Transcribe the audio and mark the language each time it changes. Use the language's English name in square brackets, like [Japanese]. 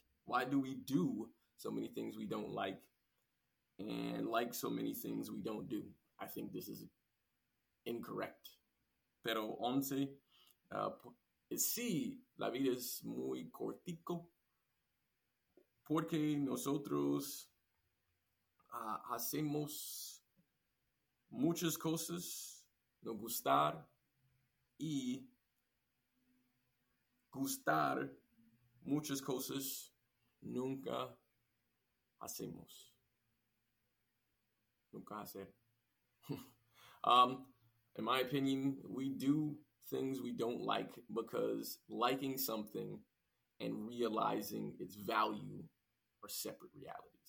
[English] Why do we do so many things we don't like and like so many things we don't do? I think this is incorrect. [Spanish] Pero 11, sí, la vida es muy cortico porque nosotros hacemos muchas cosas, no gustar y gustar muchas cosas nunca hacemos. Nunca hacer. [English] In my opinion, we do things we don't like because liking something and realizing its value are separate realities.